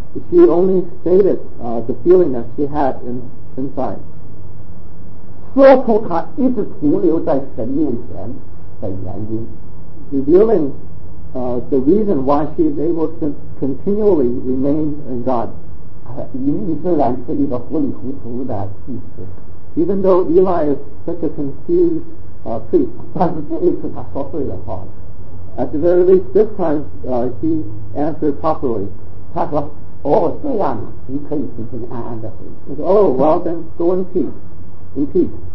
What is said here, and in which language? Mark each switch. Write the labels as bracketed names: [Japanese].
[English] she only stated the feeling that she had inside. [Chinese] 说出她一直停留在神面前的原因, [English] revealing the reason why she is able to continually remain in God. [Chinese] 伊利虽然是一个混混的祭司, [English] even though Eli is such a confused priest, [Chinese] 但是这一次他说对了话, [English] at the very least this time he answered properly. [Chinese] 他说哦这样你可以平平安安的回去, [English] he said, oh well then go in peace, in peace.